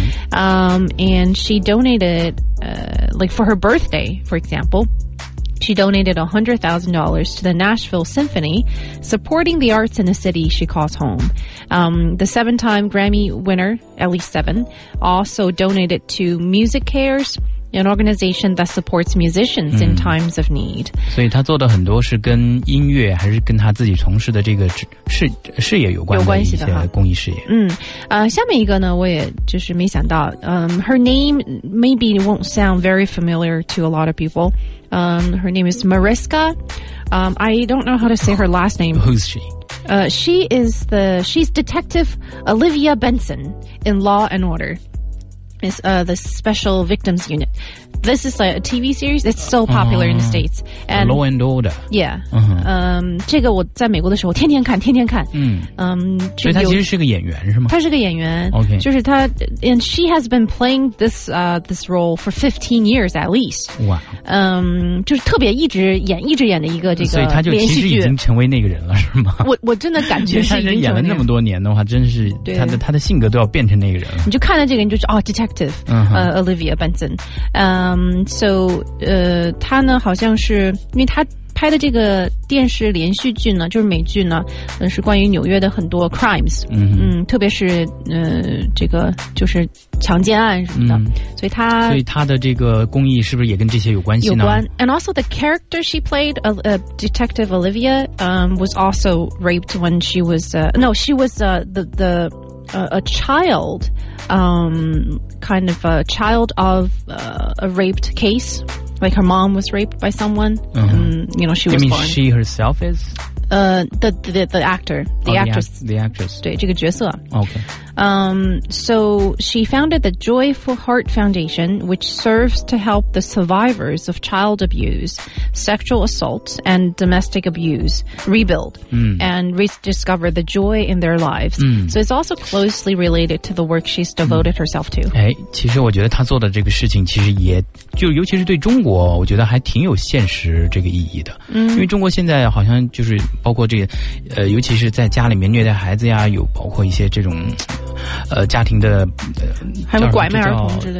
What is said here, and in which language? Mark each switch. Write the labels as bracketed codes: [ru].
[en] And she donated, like for her birthday, for example,She donated $100,000 to the Nashville Symphony, supporting the arts in the city she calls home. The 7-time Grammy winner, at least 7, also donated to Music Cares, an organization that supports musicians in times of need. 所以她做的很多是跟音乐还是跟她自己从事的这个事业有关的一些公益事业。下面一个呢，我也就是没想到。 Her name maybe won't sound very familiar to a lot of people. Her name is Mariska. I don't know how to say her last name. Who's she? She's Detective Olivia Benson in Law and Order. It's the Special Victims Unit. This is a TV series. It's so popular in the States. And, Law and Order. Yeah. This is what I was in America. I was watching it every day. right? She's a singer. Okay. And she has been playing this role for 15 years at least. Wow. It's just a very interesting role. So she's actually already become that person, right? I really feel like she's been playing for so many years. Her character is already becoming that person. You look at this person and you're like, oh, Detective Olivia Benson. [zh] 他呢好像是因为他拍的这个电视连续剧呢，就是美剧呢，是关于纽约的很多 crimes， 特别是这个就是强奸案什么的，所以他的这个公益是不是也跟这些有关系呢？有关。 [en] And also the character she played, Detective Olivia, was also raped when she was a child, kind of a child of a raped case. Like her mom was raped by someone. And, you know, she was born. You mean she herself is? The actor. The actress. The actress. [zh] 对，这个角色。 [en] Okay. So she founded the Joyful Heart Foundation, which serves to help the survivors of child abuse, sexual assault, and domestic abuse rebuild and rediscover the joy in their lives. So it's also closely related to the work she's devoted herself to. [zh] 哎，其实我觉得她做的这个事情，其实也就尤其是对中国，我觉得还挺有现实这个意义的。因为中国现在好像就是包括这个，尤其是在家里面虐待孩子呀，有包括一些这种。家庭的还有拐卖儿童之类的